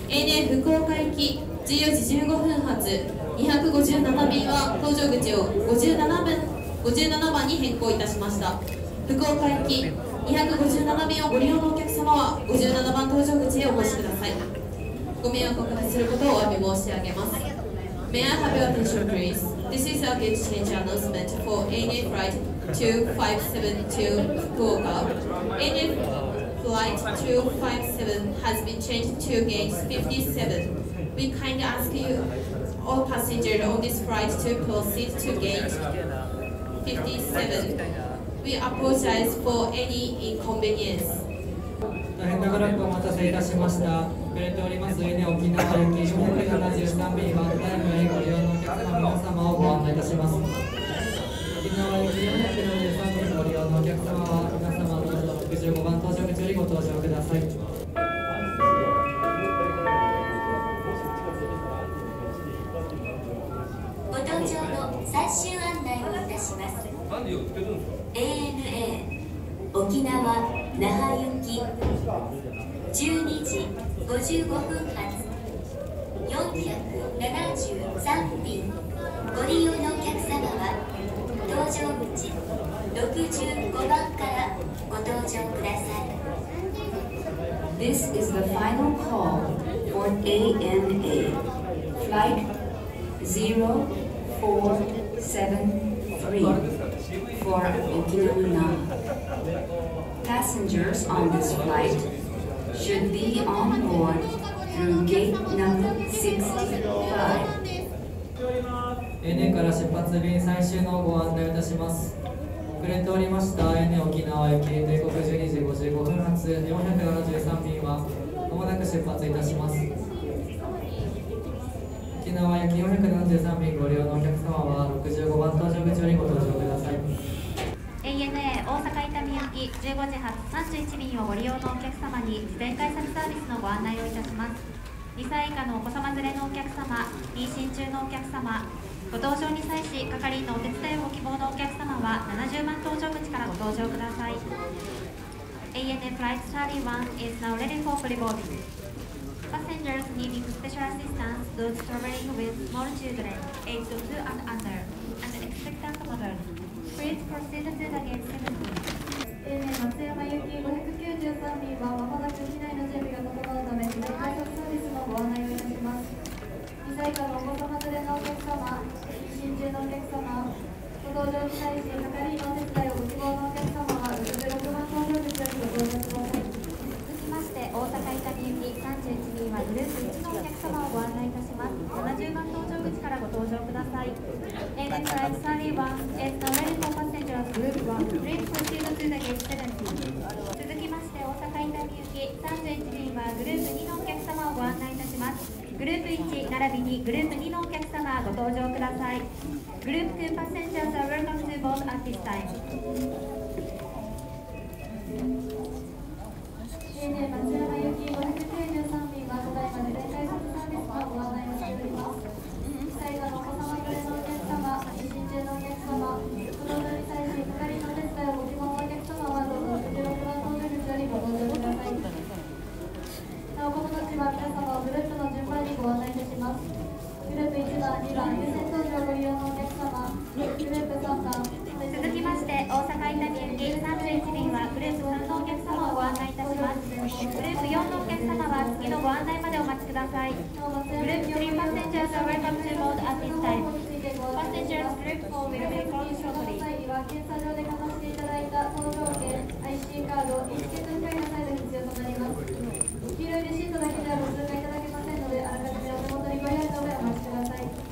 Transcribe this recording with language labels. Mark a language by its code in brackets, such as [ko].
[ja] ANA 福岡行き14時15分発257便は搭乗口を57番に変更いたしました。福岡行き257便をご利用のお客様は57番搭乗口へお越しください。ご迷惑をおかけすることをお詫び申し上げます。 [en] May I have your attention please? This is our gate change announcement for ANA flight 2572 Fukuoka. ANA flight 257 has been changed to gate 57. We kindly ask you all passengers on this flight to proceed to gate 57. We apologize for any inconvenience. [ja] 大変長らくお待たせいたしました。遅れております ANA 沖縄行き473便ワンタイムへご利用のお客様皆様をご案内いたします。沖縄行き473便ご利用のお客様は皆様どうぞ 15番搭乗口よりご搭乗ください。ご搭乗の最終案内をいたします。 ANA 沖縄那覇行き12時55分発473便、ご利用のお客様は搭乗口65番からご搭乗ください。 [en] This is the final call for ANA flight 0473 for Okinawa. Passengers on this flight should be on board through gate number 65. [ja] ANA から出発便最終のご案内いたします。遅れておりました ANA 沖縄行き定刻12時55分発473便はまもなく出発いたします。沖縄行き473便ご利用のお客様は65番搭乗口よりご搭乗ください。 ANA 大阪伊丹行き15時発31便をご利用のお客様に事前改札サービスのご案内をいたします。 2歳以下のお子様連れのお客様、妊娠中のお客様、ご搭乗に際し係員のお手伝いをご希望のお客様は70番搭乗口からご搭乗ください。 [en] ANA Flight 31 is now ready for pre-boarding. Passengers needing special assistance, those traveling with small children, age 2 and under, and expectant mothers, please proceed to the gate 7. ANA 松山行 [ja] き593便はまもなく機内の準備が整うため機内改札サービスのご案内をいたします。2歳以下のお子様連れのお客様、妊娠中のお客様、ご搭乗に対し係員のお手伝いをご希望のお客様は66番搭乗口よりご搭乗ください。続きまして大阪伊丹行き31便はグループ1のお客様をご案内いたします。 70番搭乗口からご搭乗ください。 [en] ANA Flight 31 is now ready for passengers group 1 please proceed to the gate 70。 [ja] 続きまして大阪伊丹行き31便はグループ2のお客様をご案内いたします。グループ1並びにグループ2のお客様はご搭乗ください。 [en] グループ2 passengers are welcome to board at this time. [ja] ANA 松山行き593便はただいまで全開発サービスのご案内をしております。最後のお子様連れのお客様、妊娠中のお客様、ご搭乗に際し係のお手伝いをご希望のお客様はどうぞ16番搭乗口よりご搭乗ください。お子たちは皆様をグループの順番にご案内いたします。グループ1番、2番、優先搭乗ご利用のお客様、グループ3番。続きまして大阪伊丹行き31便はグループ3のお客様をご案内いたします。グループ4のお客様は次のご案内までお待ちください。 [en] グループ3 passengers are welcome to board at this time. Passengers group 4 will be called shortly. [ja] 際には検査場でかざしていただいた搭乗券、 IC カード、一チケット以外の際で必要となります。黄色いレシートだけではご通過いただけませんので、あらかじめお手元にご用意のためお待ちください。